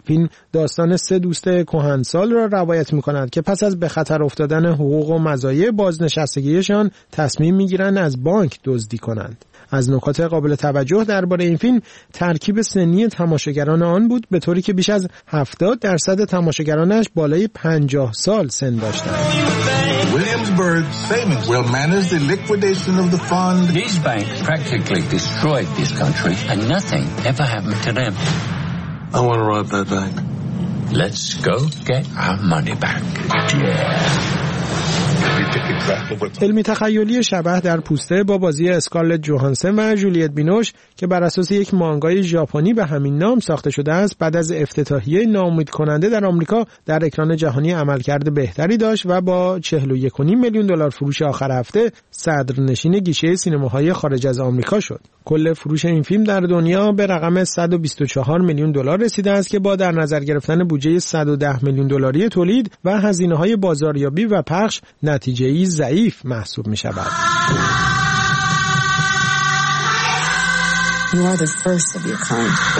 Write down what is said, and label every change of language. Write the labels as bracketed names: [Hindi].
[Persian] فیلم داستان سه دوست کهنسال را روایت می‌کند که پس از به خطر افتادن حقوق و مزایای بازنشستگی‌شان تصمیم می‌گیرند از بانک دزدی کنند. از نکات قابل توجه درباره این فیلم ترکیب سنی تماشاگران آن بود به طوری که بیش از 70% تماشاگرانش بالای 50 سال سن داشتند. [English] Williamsburg Savings will manage the liquidation of the fund. This bank practically destroyed this country and nothing ever happened to them. I want to rob that bank. Let's go get our money back. Yeah. [Persian] فیلمی تخیلی شبح در پوسته با بازی اسکارلت جوهانسن و جولیت بینوش که بر اساس یک مانگای ژاپنی به همین نام ساخته شده است بعد از افتتاحیه ناامید کننده در آمریکا در اکران جهانی عملکرد بهتری داشت و با 41.5 میلیون دلار فروش آخر هفته صدرنشین گیشه سینماهای خارج از آمریکا شد. کل فروش این فیلم در دنیا به رقم 124 میلیون دلار رسیده است که با در نظر گرفتن بودجه 110 میلیون دلاری تولید و هزینه‌های بازاریابی و پخش نتیجه‌ای ضعیف محسوب می‌شود. [English] You are the first of your kind.